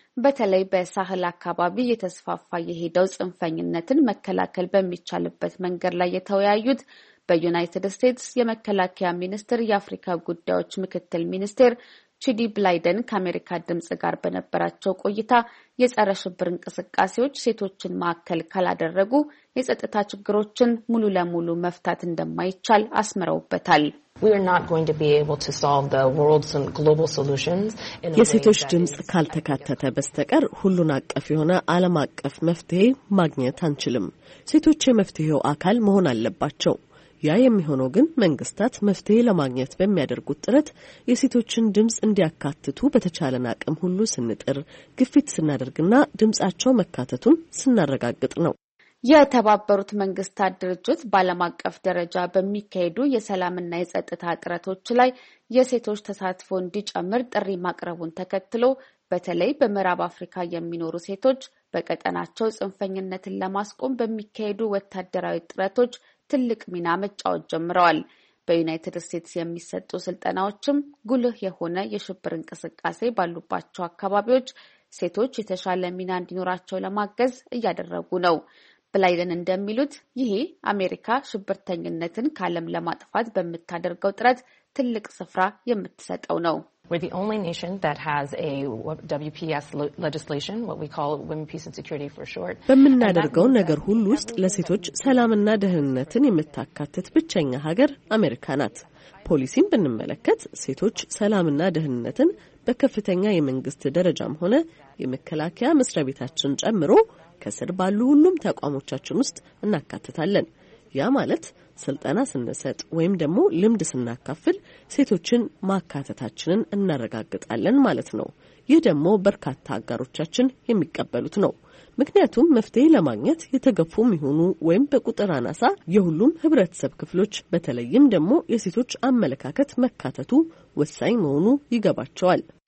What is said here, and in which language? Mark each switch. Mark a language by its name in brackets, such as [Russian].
[Amharic] በተለይ በሳህል አካባቢ የተስፋፋ የሄደው ጽንፈኝነትን መከላከል በሚቻልበት መንገድ ላይ የተወያዩት በዩናይትድ ስቴትስ የመከላከያ ሚኒስትር የአፍሪካ ጉዳዮች ምክትል ሚኒስትር ቺዲ ብላይደን ከአሜሪካ ድምጽ ጋር በነበራቸው ቆይታ የጸረ ሽብር እንቅስቃሴዎች ሴቶችን ማከል ካላደረጉ የጸጥታ ችግሮችን ሙሉ ለሙሉ መፍታት እንደማይቻል አስመረውበታል። [English] We are not going to be able to solve the world's and global solutions in a way that [Amharic] የሴቶች ድምጽ ካልተካተተ በስተቀር ሁሉን አቀፍ የሆነ ዓለም አቀፍ መፍትሄ ማግኘት አንችልም። ሴቶች የመፍትሄው አካል መሆን አለባቸው። ያ የሚሆነው ግን መንግስታት መፍትሄ ለማግኘት በሚያደርጉት ጥረት የሴቶችን ድምጽ እንዲያካትቱ በተቻለና አቅም ሁሉ ስንጥር ግፊት ስናደርግና ድምጻቸው መካተቱን ስናረጋግጥ ነው። የተባበሩት መንግስታት ድርጅት ባለም አቀፍ ደረጃ በሚካሄዱ የሰላምና የጸጥታ ጥረቶች ላይ የሴቶች ተሳትፎ እንዲጨምር ጥሪ ማቅረቡን ተከትሎ በተለይ በምዕራብ አፍሪካ የሚኖሩ ሴቶች በቀጠናቸው ጽንፈኝነትን ለማስቆም በሚካሄዱ ወታደራዊ ጥረቶች ትልቅ ሚና መጫወት ጀምረዋል። በዩናይትድ ስቴትስ የሚሰጡ ስልጠናዎችም ጉልህ የሆነ የሽብር እንቅስቃሴ ባሉባቸው አካባቢዎች ሴቶች የተሻለ ሚና እንዲኖራቸው ለማገዝ እያደረጉ ነው። ብላይደን እንደሚሉት ይሄ አሜሪካ ሽብርተኝነትን ካለም ለማጥፋት በሚታደርገው ጥረት ትልቅ ስፍራ የምትሰጠው ነው። [English] We're the only nation that has a WPS legislation, what we call Women, Peace and Security for short. [Amharic] በምናደርገው ነገር ሁሉ ውስጥ ለሴቶች ሰላምና ደህንነትን የምታካትት ብቸኛ ሀገር አሜሪካ ናት። ፖሊሲን ብንመለከት ሴቶች ሰላምና ደህንነትን በከፍተኛ የመንግስት ደረጃም ሆነ የመከላከያ መስሪያ ቤታችን ጨምሮ ከስር ባሉ ሁሉም ተቋሞቻችን ውስጥ እናካትታለን። ያ ማለት ስልጠና ስንሰጥ ወይም ደግሞ ልምድ ስናካፍል ሴቶችን ማካተታችንን እናረጋግጣለን ማለት ነው። ይህ ደግሞ በርካታ አጋሮቻችን የሚቀበሉት ነው። ምክንያቱም መፍትሄ ለማግኘት የተገፉም ይሆኑ ወይም በቁጥር አናሳ የሁሉም ህብረተሰብ ክፍሎች በተለይም ደግሞ የሴቶች አመለካከት መካተቱ ወሳኝ መሆኑ ይገባቸዋል።